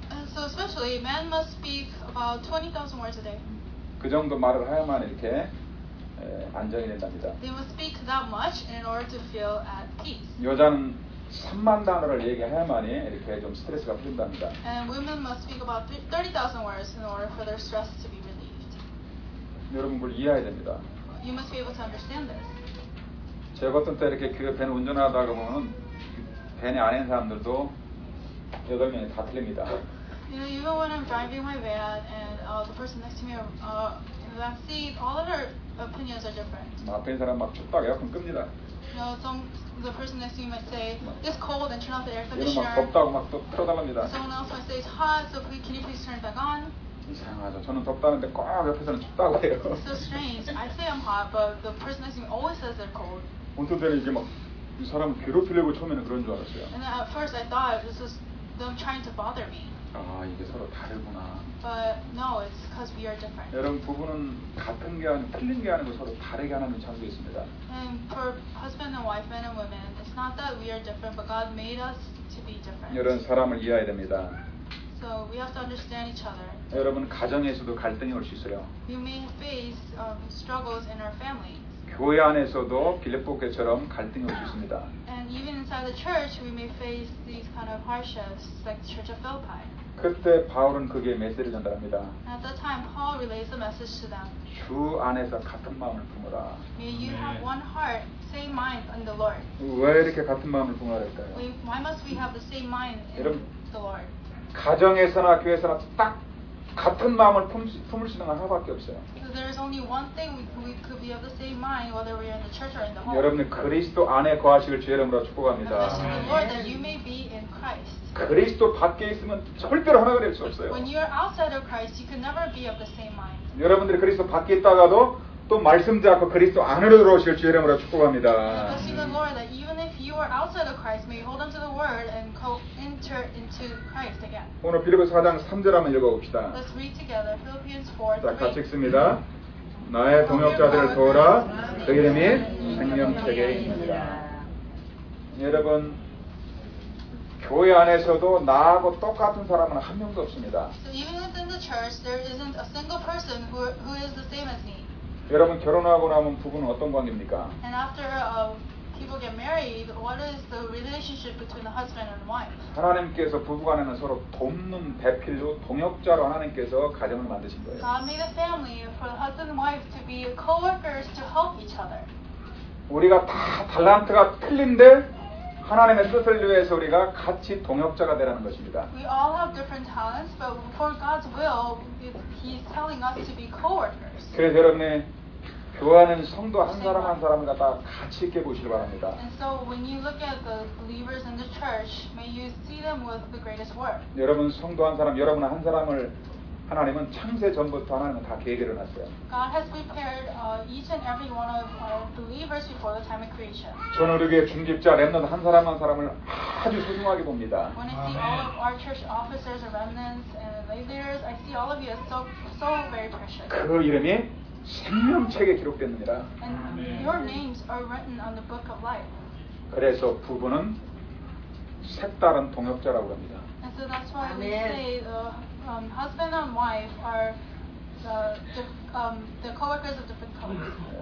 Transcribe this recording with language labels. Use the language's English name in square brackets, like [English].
[English] So especially, men must speak about 20,000 words a day. [Korean] 그 정도 말을 해야만 이렇게 안정이 된답니다. [English] They must speak that much in order to feel at peace. [Korean] 여자는 3만 단어를 얘기해야만이 이렇게 좀 스트레스가 풀린답니다. [English] And women must speak about 30,000 words in order for their stress to be relieved. [Korean] 여러분 그걸 이해해야 됩니다. [English] You must be able to understand this. [Korean] 제가 어떤 때 이렇게 그 밴 운전하다가 보면 밴에 안 있는 사람들도 8명이 다 틀립니다. [English] You know, even when I'm driving my van and the person next to me in the back seat, all of their opinions are different. [Korean] 앞에 있는 사람 막 축박 에어컨 끕니다. [English] No, some the person next to me might say, "It's cold and turn off the air conditioner." [Korean] 막 덥다고 막 또 틀어달랍니다. [English] Someone else might say, "It's hot, so can you please turn it back on?" [Korean] 이상하죠. 저는 덥다는데 꼭 옆에서는 춥다고 해요. [English] So strange. I say I'm hot, but the person next to me always says they're cold. [Korean] 어떤 때는 이게 막 이 사람을 괴롭히려고 처음에는 그런 줄 알았어요. [English] And at first I thought this was them trying to bother me. [Korean] 아, 이게 서로 다르구나. [English] But no, it's because we are different. [Korean] 여러분 부부는 같은 게 아니고 틀린 게 아니고 서로 다르게 하나님 창조했습니다. [English] And for husband and wife, men and women, it's not that we are different, but God made us to be different. [Korean] 여러분 사람을 이해해야 됩니다. [English] So we have to understand each other. [Korean] 여러분 가정에서도 갈등이 올 수 있어요. [English] We may face struggles in our families. [Korean] 교회 안에서도 빌립보 교회처럼 갈등이 올 수 있습니다. [English] And even inside the church, we may face these kind of hardships, like the Church of Philippi. [Korean] 그때 바울은 그게 메시지를 전달합니다. [English] At that time, Paul relays a message to them. [Korean] 주 안에서 같은 마음을 품어라. [English] May you have one heart, same mind in the Lord. [Korean] 왜 이렇게 같은 마음을 품어야 할까요? [English] Why must we have the same mind in the Lord? [Korean] 가정에서나 교회에서나 딱 같은 마음을 품을 수 있는 건 하나밖에 없어요. [English] So there is only one thing we could be of the same mind whether we are in the church or in the home. [Korean] 여러분 그리스도 안에 거하시길 주의 이름으로 축복합니다. [English] Lord, that you may be in Christ. [Korean] 그리스도 밖에 있으면 절대로 하나가 될 수 없어요. [English] When you are outside of Christ, you can never be of the same mind. [Korean] 여러분들이 그리스도 밖에 있다가도 또 말씀 잡고 그리스도 안으로 들어오실 주의 이름으로 축복합니다. [English] Blessing the Lord that even if you are outside of Christ, may you hold on to the word and enter into Christ again. [Korean] 오늘 빌립보서 4장 3절 한번 읽어봅시다. [English] Let's read together Philippians 4:3. [Korean] 자, 같이 읽습니다. 나의 동역자들을 도우라. 그 이름이 생명책에 있느니라. 여러분 교회 안에서도 나하고 똑같은 사람은 한 명도 없습니다. [English] So even within the church, there isn't a single person who is the same as me. [Korean] 여러분 결혼하고 나면 부부는 어떤 관계입니까? [English] And after people get married, what is the relationship between the husband and wife? [Korean] 하나님께서 부부간에는 서로 돕는 배필로 동역자로 하나님께서 가정을 만드신 거예요. [English] God made a family for the husband and wife to be co-workers to help each other. [Korean] 우리가 다 달란트가 틀린데 하나님의 뜻을 위해서 우리가 같이 동역자가 되라는 것입니다. [English] We all have different talents, but for God's will, He's telling us to be co-workers. [Korean] 그래서 여러분의 교회는 성도 한 사람 한 사람을 갖다 같이 있게 보시길 바랍니다. [English] And so when you look at the believers in the church, may you see them with the greatest work. [Korean] 여러분 성도 한 사람, 여러분 한 사람을 하나님은 창세 전부터 하나님은 다 계획을 놨어요. [English] God has prepared each and every one of believers before the time of creation. [Korean] 저는 우리 교회 중직자 렘넌트 한 사람 한 사람을 아주 소중하게 봅니다. [English] When I see all of our church officers and remnants and leaders, I see all of you as so very precious. [Korean] 그 이름이 생명책에 기록됩니다. [English] And your names are written on the book of life. [Korean] 그래서 부부는 색다른 동역자라고 합니다. [English] And so that's why we say husband and wife are the co-workers of different colors.